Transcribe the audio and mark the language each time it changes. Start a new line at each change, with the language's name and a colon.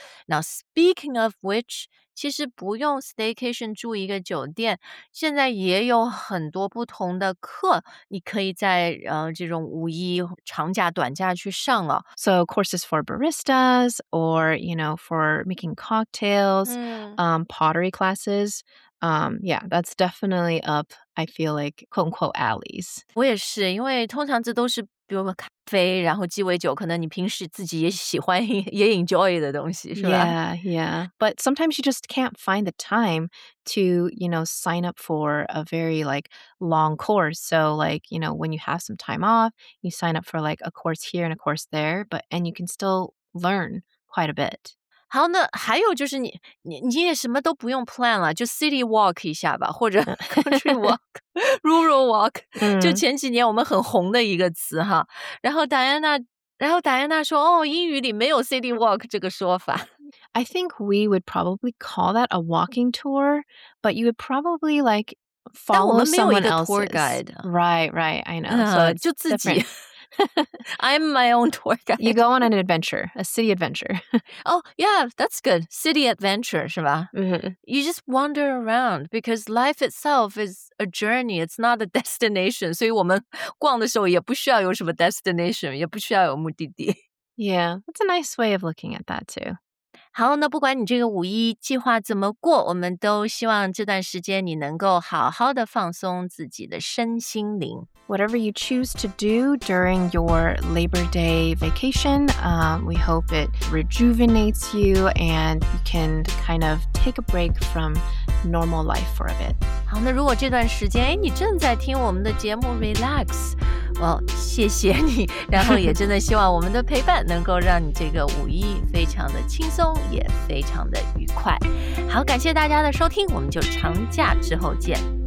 English: Now, speaking of which,
Chinese: 其实不用 staycation 住一个酒店，现在也有很多不同的课，你可以在这种五一长假、短假去上了。
English: So courses for baristas, or you know, for making cocktails, pottery classes. Yeah, that's definitely up, I feel like, quote-unquote, alleys.
Chinese: 我也是，因为通常这都是比如咖啡，然后鸡尾酒，可能你平时自己也喜欢，也 enjoy 的东西，是吧？
English: Yeah, yeah. But sometimes you just can't find the time to, you know, sign up for a very, like, long course. So, like, you know, when you have some time off, you sign up for, like, a course here and a course there, but, and you can still learn quite a bit.
Chinese: 好，那还有就是你也什么都不用 plan 了，就 city walk 一下吧，或者
English: country walk, rural walk,
Chinese: 就前几年我们很红的一个词哈。然后戴安娜说，哦，英语里没有 city walk 这个说法。
English: I think we would probably call that a walking tour, but you would probably like follow someone else's. Tour guide. Right, right, I know. So
Chinese: 就自己。
English: Different. I'm my own tour guide. You go on an adventure, a city adventure. Oh, yeah, that's good. City adventure,
Chinese: 是吧?
English: Mm-hmm. You just wander around because life itself is a journey. It's not a destination.
Chinese: 所以我们逛的时候也不需要有什么 destination, 也不需要有目的地。
English: Yeah, that's a nice way of looking at that too.
Chinese: 好，那不管你这个五一计划怎么过，我们都希望这段时间你能够好好的放松自己的身心灵。
English: Whatever you choose to do during your Labor Day vacation, we hope it rejuvenates you and you can kind of take a break from normal life for a bit.
Chinese: 好，那如果这段时间你正在听我们的节目 Relax, well, 谢谢你，然后也真的希望我们的陪伴能够让你这个五一非常的轻松。也非常的愉快。好，感谢大家的收听，我们就长假之后见。